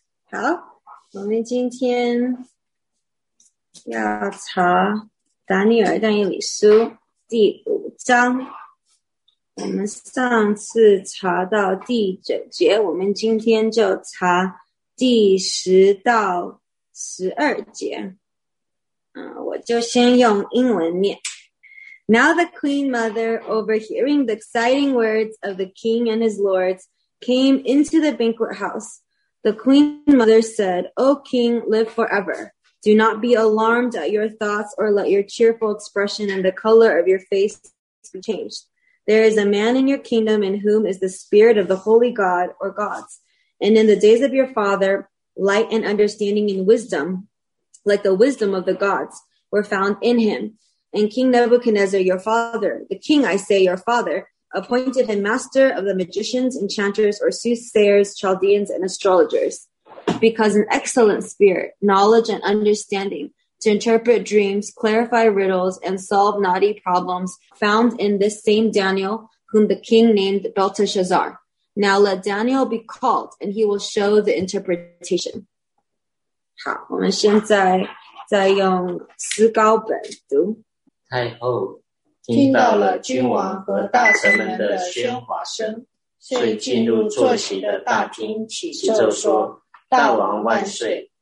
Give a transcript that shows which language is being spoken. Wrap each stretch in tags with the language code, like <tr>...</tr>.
<zh>好，我们今天要查达尼尔但以理书第五章。我们上次查到第九节，我们今天就查第十到十二节。我就先用英文念。</zh> <en>Now the queen mother, overhearing the exciting words of the king and his lords, came into the banquet house. The queen mother said, O king, live forever. Do not be alarmed at your thoughts or let your cheerful expression and the color of your face be changed. There is a man in your kingdom in whom is the spirit of the holy God or gods. And in the days of your father, light and understanding and wisdom, like the wisdom of the gods, were found in him. And King Nebuchadnezzar, your father, the king, I say, your father, appointed him master of the magicians, enchanters, or soothsayers, Chaldeans, and astrologers, because an excellent spirit, knowledge, and understanding to interpret dreams, clarify riddles, and solve knotty problems found in this same Daniel, whom the king named Belteshazzar. Now let Daniel be called, and he will show the interpretation.</en> <zh>好，我们现在再用思考本读。太后听到了君王和大臣们的喧哗声，遂进入坐席的大厅，起奏说：“大王万岁！</zh>